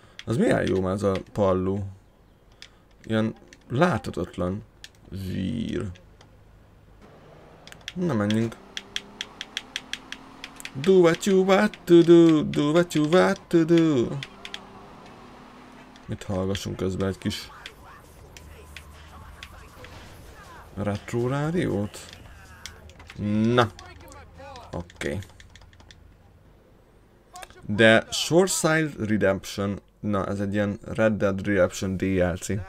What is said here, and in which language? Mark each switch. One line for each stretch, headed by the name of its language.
Hungarian: Az milyen jó már ez a palló. Ilyen láthatatlan zsír. Na menjünk.
English: Do what you want to do, do what you want to do.
Hungarian: Mit hallgassunk közben egy kis... Retro rádiót? Na! Oké. Okay. De Shoreside Redemption Na, ez egy ilyen Red Dead Redemption DLC.